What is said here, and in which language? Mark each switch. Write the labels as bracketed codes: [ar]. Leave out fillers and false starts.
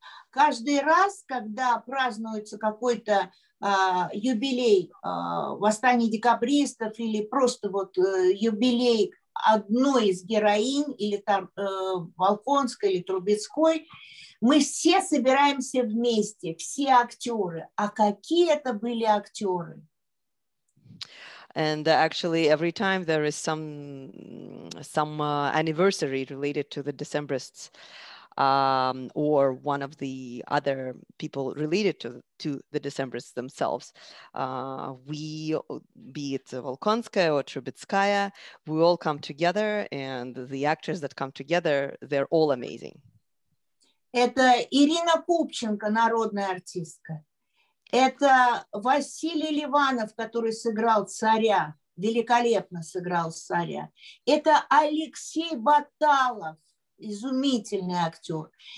[ru] Каждый раз, когда празднуется какой-то юбилей восстания декабристов или просто вот юбилей одной из героинь, или там Волконской, или Трубецкой, мы все собираемся вместе, все актеры. А какие это были актеры? [en] And actually, every time there is some anniversary related to the Decembrists, or one of the other people related to the Decembrists themselves. We, be it Volkonskaya or Trubetskaya, we all come together, and the actors that come together, they're all amazing. [ru] Это Ирина Купченко, народная артистка. Это Василий Ливанов, который сыграл царя, великолепно сыграл царя. Это Алексей Баталов, изумительный актер.